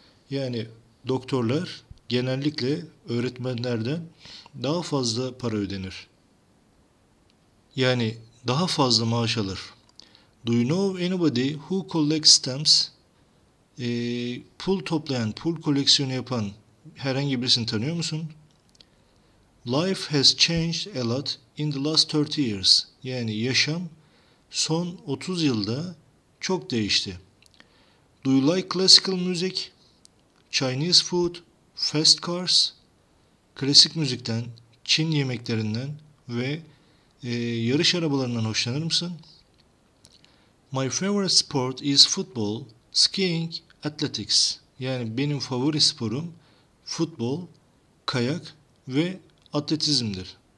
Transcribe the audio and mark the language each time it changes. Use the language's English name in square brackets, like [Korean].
[Turkish] Yani doktorlar genellikle öğretmenlerden daha fazla para ödenir. Yani daha fazla maaş alır. [English] Do you know anybody who collects stamps? [Turkish] Pul toplayan, pul koleksiyonu yapan herhangi birisini tanıyor musun? [English] Life has changed a lot in the last 30 years. [Turkish] Yani yaşam son 30 yılda çok değişti. [English] Do you like classical music, Chinese food, fast cars? [Turkish] Klasik müzikten, Çin yemeklerinden ve yarış arabalarından hoşlanır mısın? [English] My favorite sport is football, skiing, athletics. [Turkish] Yani benim favori sporum futbol, kayak ve atletizmdir.